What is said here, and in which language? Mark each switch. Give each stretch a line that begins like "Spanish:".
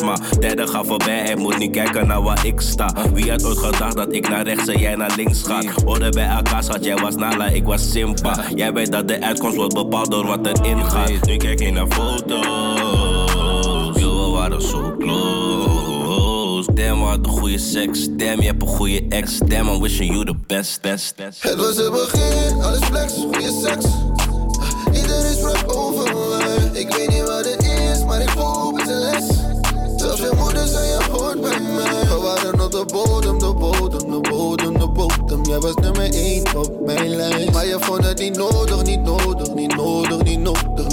Dutch: Maar tijden gaan voorbij en moet niet kijken naar waar ik sta. Wie had ooit gedacht dat ik naar rechts en jij naar links? Hoorde bij elkaar, schat, jij was Nala, ik was Simpa. Jij weet dat de uitkomst wordt bepaald door wat erin gaat. Nu kijk ik naar foto's. Yo, we waren zo close. Damn, we hadden goede seks. Damn, je hebt een goede ex.
English: Damn, I'm wishing you the best, best, best.
Dutch: Het was het begin, alles flex, goede seks. Iedereen sprak over mij. Ik weet niet wat het is, maar ik hoop het is een les. Zelfs je moeder zei je hoort bij mij. We waren op de bodem, de bodem, de bodem, de bodem. Jij was nummer 1 op mijn lijst. Maar je vond het niet nodig, niet nodig, niet nodig, niet nodig.